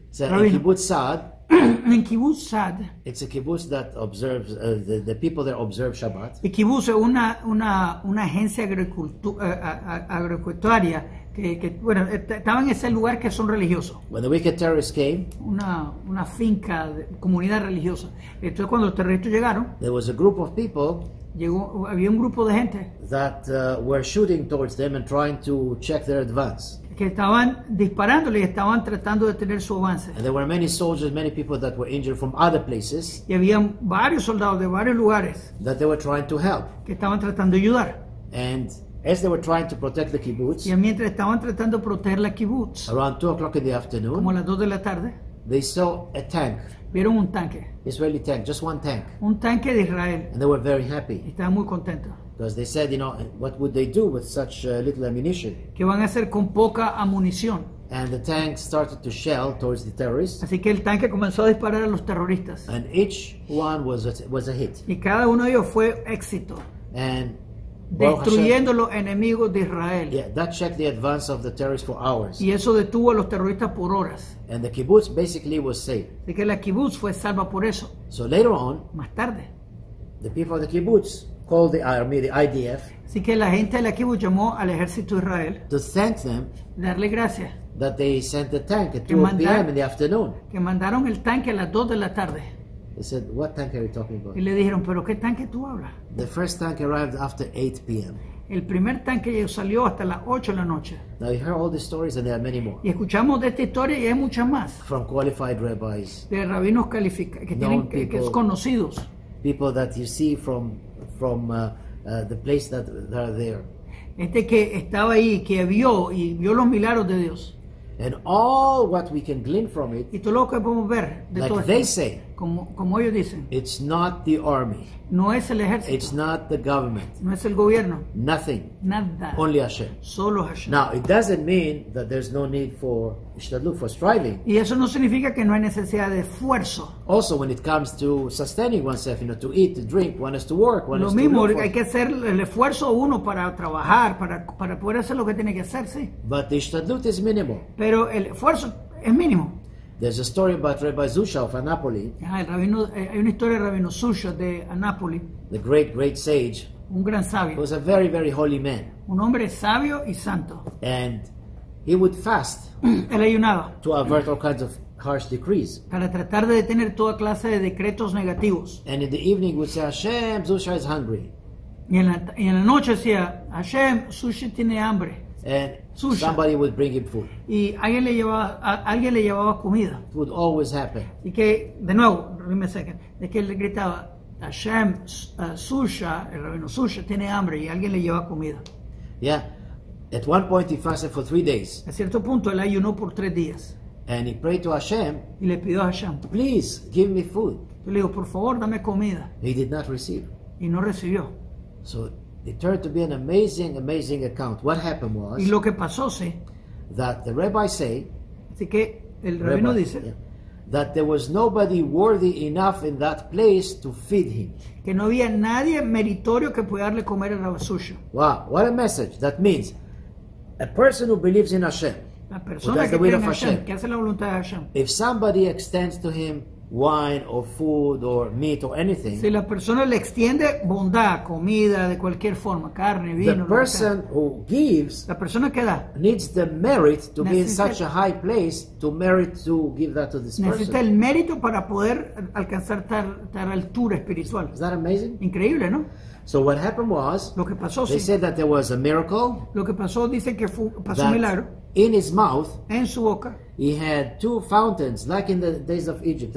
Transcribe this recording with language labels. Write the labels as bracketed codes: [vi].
[en] En Kibbutz Sad, it's a kibbutz that observes the people that observe Shabbat. [es] Y kibbutz es una agencia agropecuaria que bueno, estaba en ese lugar que son religiosos. [en] When the wicked terrorists came, [es] una finca de comunidad religiosa. Entonces cuando los terroristas llegaron, [en] there was a group of people. [es] Había un grupo de gente [en] that were shooting towards them and trying to check their advance. [es] Que estaban disparándole y estaban tratando de tener su avance. [en] And there were many soldiers, many people that were injured from other places. [es] Y había varios soldados de varios lugares [en] that they were trying to help. [es] Que estaban tratando de ayudar. [en] And as they were trying to protect the kibbutz, [es] y mientras estaban tratando de proteger la kibbutz, [en] around 2 o'clock in the afternoon, [es] como a las 2 de la tarde, [en] they saw a tank. [es] Vieron un tanque. [en] Israeli tank, just one tank. [es] Un tanque de Israel. [en] And they were very happy. [es] Estaban muy contentos. [en] Because they said, you know, what would they do with such little ammunition? [es] ¿Qué van a hacer con poca amunición? [en] And the tank started to shell towards the terrorists. [es] Así que el tanque comenzó a disparar a los terroristas. [en] And each one was a hit. [es] Y cada uno de ellos fue éxito. [en] And [es] destruyendo los enemigos de Israel. [en] Yeah, that checked the advance of the terrorists for hours. [es] Y eso detuvo a los terroristas por horas. [en] And the kibbutz basically was saved. [es] Así que la kibbutz fue salva por eso. [en] So later on, [es] más tarde, [en] the people of the kibbutz called the army, the IDF. [es] Así que la gente de la kibbutz llamó al ejército de Israel. [en] To thank them. [es] Darle gracias. [en] That they sent the tank at 2 p.m. in the afternoon. [es] Que mandaron el tanque a las 2 de la tarde. [en] They said, what tank are you talking about? [es] Y le dijeron, ¿pero qué tanque tú hablas? [en] The first tank arrived after 8 p.m. [es] El primer tanque salió hasta las 8 de la noche. [en] Now you hear all these stories and there are many more. [es] Y escuchamos de esta historia y hay muchas más. [en] From qualified rabbis. [es] De rabinos calificados, que tienen people, que es conocidos. [en] People that you see from the place that are there. [es] Este que estaba ahí, que vio y vio los milagros de Dios. [en] And all what we can glean from it. [es] Y todo lo que podemos ver de [en] like [es] todo [en] they [es] esto, [en] say. [es] Como ellos dicen. [en] It's not the army. [es] No es el ejército. [en] It's not the government. [es] No es el gobierno. [en] Nothing. [es] Nada. [en] Only Hashem. [es] Solo Hashem. [en] Now it doesn't mean that there's no need for ishtadlut, for striving. [es] Y eso no significa que no hay necesidad de esfuerzo. [en] Also when it comes to sustaining oneself, you know, to eat, to drink, one has to work, one [es] lo [en] has [es] mismo, [en] to [es] hay que hacer el esfuerzo uno para trabajar, para poder hacer lo que tiene que hacer, sí. [en] But the ishtadlut is minimal. [es] Pero el esfuerzo es mínimo. [en] There's a story about Rabbi Zusha of Annapoli. [es] Hay una historia de Rabino Zusha de Annapoli. [en] The great, great sage. [es] Un gran sabio. [en] He was a very, very holy man. [es] Un hombre sabio y santo. [en] And he would fast. [es] Él ayunaba. [en] To avert all kinds of harsh decrees. [es] Para tratar de detener toda clase de decretos negativos. [en] And in the evening would say, Hashem, Zusha is hungry. [es] Y en la noche decía, Hashem, Zusha tiene hambre. [en] And Zusha. Somebody would bring him food. [es] Y alguien le llevaba comida. [en] It would always happen. [es] Y que, de nuevo, [en] remember a second, [es] de que él gritaba, Hashem, Zusha, el rabino Zusha, tiene hambre, y alguien le llevaba comida. [en] Yeah. At one point he fasted for 3 days. [es] A cierto punto él ayunó por 3 días. [en] And he prayed to Hashem. [es] Y le pidió a Hashem. [en] Please give me food. [es] Yo le digo, por favor, dame comida. [en] He did not receive. [es] Y no recibió. [en] So it turned to be an amazing account. What happened was. [es] Y lo que pasó, sí. [en] That the rabbi say. [es] Así que el rabino dice. Yeah, [en] that there was nobody worthy enough in that place to feed him. [es] Que no había nadie meritorio que pudiera darle comer a Rav Shusha. [en] Wow, what a message. That means a person who believes in Hashem. [es] La persona que cree en Hashem, que hace la voluntad de Hashem. [en] If somebody extends to him wine or food or meat or anything. [es] Si la persona le extiende bondad, comida de cualquier forma, carne, vino. [en] The person who gives. [es] La persona que da. [en] Needs the merit to be in such a high place to merit to give that to this [es] necesita [en] person. [es] Necesita el mérito para poder alcanzar tal altura espiritual. [en] Is that amazing? [es] Increíble, ¿no? [en] So what happened was. [es] Lo que pasó. [en] They [es] sí. [en] said that there was a miracle. [es] Lo que pasó dice que pasó un milagro. [en] In his mouth. [es] En su boca. [en] He had two fountains, like in the days of Egypt.